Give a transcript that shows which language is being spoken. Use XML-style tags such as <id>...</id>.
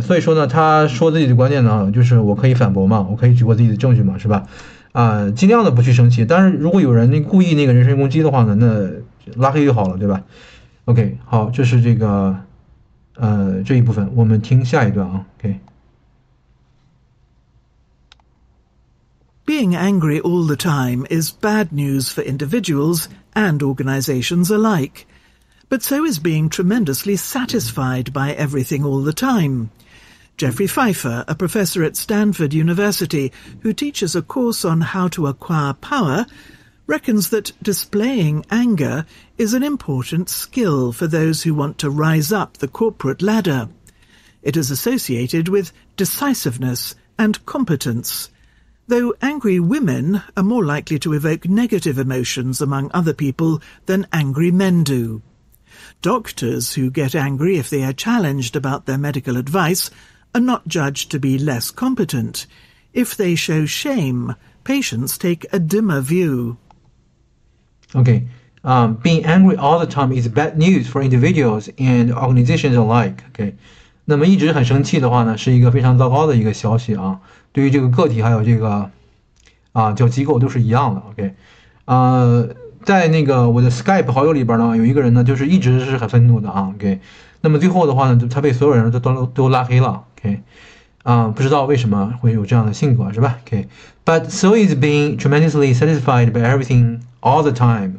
<zh>所以说呢，他说自己的观点呢，就是我可以反驳嘛，我可以举过自己的证据嘛，是吧？尽量的不去生气，但是如果有人那故意那个人身攻击的话呢，那拉黑就好了，对吧？OK，好，这是这个这一部分，我们听下一段啊，OK。</zh> <en>Being angry all the time is bad news for individuals and organizations alike. but so is being tremendously satisfied by everything all the time. Jeffrey Pfeiffer, a professor at Stanford University who teaches a course on how to acquire power, reckons that displaying anger is an important skill for those who want to rise up the corporate ladder. It is associated with decisiveness and competence. Though angry women are more likely to evoke negative emotions among other people than angry men do. Doctors who get angry if they are challenged about their medical advice are not judged to be less competent. If they show shame, patients take a dimmer view. Okay, being angry all the time is bad news for individuals and organizations alike. Okay.</en> <zh>那么一直很生气的话呢，是一个非常糟糕的一个消息啊，对于这个个体还有这个叫机构都是一样的。 OK， 在那个我的 Skype 好友里边呢，有一个人呢就是一直是很愤怒的啊。 OK， 那么最后的话呢，他被所有人都拉黑了。 OK， 不知道为什么会有这样的性格是吧。</zh> <en>OK， but so is being tremendously satisfied by everything all the time。</en>